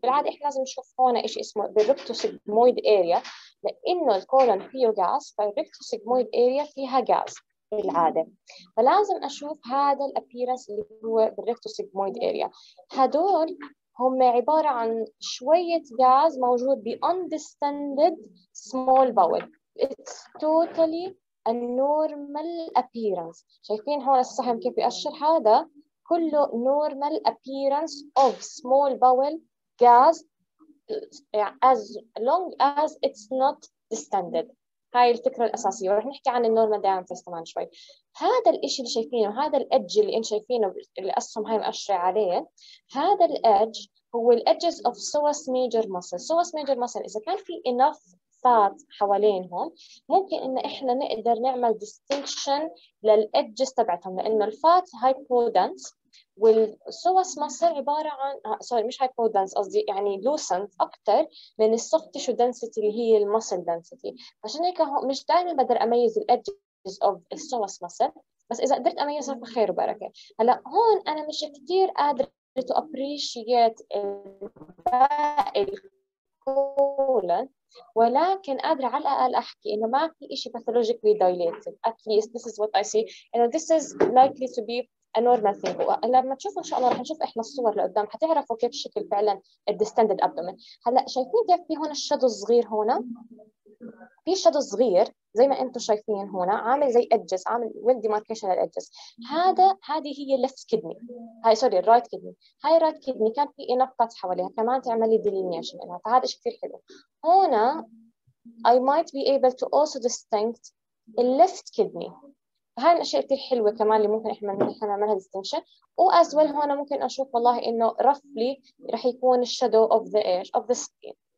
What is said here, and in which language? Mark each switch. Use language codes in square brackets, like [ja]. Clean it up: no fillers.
[ar] بالعادة إحنا لازم نشوف هنا إيش اسمه بالريكتوسيجمويد أريا، لأنه الكولون فيه غاز فالريكتوسيجمويد أريا فيها غاز بالعادة. فلازم أشوف هذا الأبيرنس اللي هو بالريكتوسيجمويد أريا. هدول هم عبارة عن شوية غاز موجود بـ [en] undistended small bowel. It's totally a normal appearance. [ar] شايفين هون السهم كيف يأشر؟ هذا كله [en] normal appearance of small bowel gas as long as it's not distended. [ar] هاي الفكرة الأساسية، ورح نحكي عن النورمال دايانتس كمان شوي. هذا الإشي اللي شايفينه، هذا الإدج اللي إن شايفينه اللي أسهم هاي مأشرة عليه، هذا الإدج هو [en] الإدجز of psoas major muscle. [ar] سوس ميجر مسل إذا كان في إناف فات حوالينهم ممكن إن إحنا نقدر نعمل ديستينكشن للإدجز تبعتهم، لأنه الفات هايبودنس والسوس مصر عبارة عن سوري مش هايبودنس قصدي يعني لوسنت أكتر من السوفت تيشو دنسيتي اللي هي المصل دنسيتي. عشان هيك مش دائما بقدر أميز [en] الأدجز أوف السوس مصر، [ar] بس إذا قدرت أميزها بخير وبركة. هلا هون أنا مش كتير قادرة [en] to appreciate [ar] الباقي الكولن، ولكن قادرة على الأقل أحكي إنه ما في إشي [en] pathologically dilated. At least this is what I see. And this is likely to be a normal thing. [ar] لما تشوفوا إن شاء الله رح نشوف إحنا الصور لقدام، هتعرفوا كيف شكل فعلاً [en] distended abdomen. [ar] هلأ شايفين كيف في هون الشادو الصغير هون؟ في شادو صغير زي ما أنتم شايفين هنا عامل زي edges، عامل [en] well demarcation [ar] على edges. هذه هي left kidney، هاي سوري right kidney، هاي right kidney كان في نقطة حواليها كمان تعملي delineation لها، فهذا إشي كتير حلو. [en] هنا I might be able to also distinct the left kidney، [ar] هاي الأشياء كتير حلوة كمان اللي ممكن إحنا نعملها [en] distinction. [ar] و [en] as well [ar] هنا ممكن أشوف والله إنه [en] roughly [ar] رح يكون [en] shadow of the edge of the skin.